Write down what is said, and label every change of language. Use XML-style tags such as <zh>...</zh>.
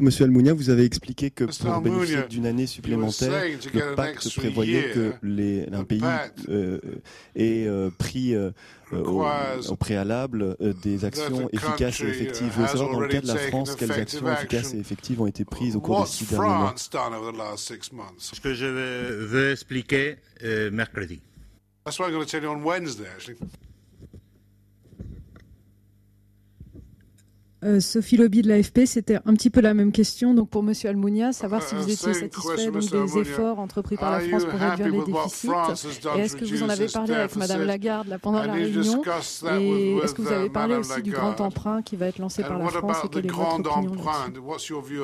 <fr>Monsieur Almunia, vous avez expliqué que pour bénéficier d'une année supplémentaire, le pacte prévoyait que un pays ait pris au préalable des actions efficaces et effectives. Je veux savoir, dans le cas de la France, quelles actions efficaces et effectives ont été prises au cours des six derniers mois. Ce que je veux expliquer mercredi.</fr> <en>That's what I'm going to tell you on Wednesday, actually.</en> <fr>Sophie Lobby de l'AFP, c'était un petit peu la même question. Donc pour Monsieur Almunia, savoir si vous étiez satisfait donc, des Almunia, efforts entrepris par la France pour réduire les déficits. Et est-ce que vous en avez parlé avec Madame Lagarde pendant la réunion? Et est-ce que vous avez parlé aussi du grand emprunt qui va être lancé par la France et quelle est votre opinion là-dessus?</fr>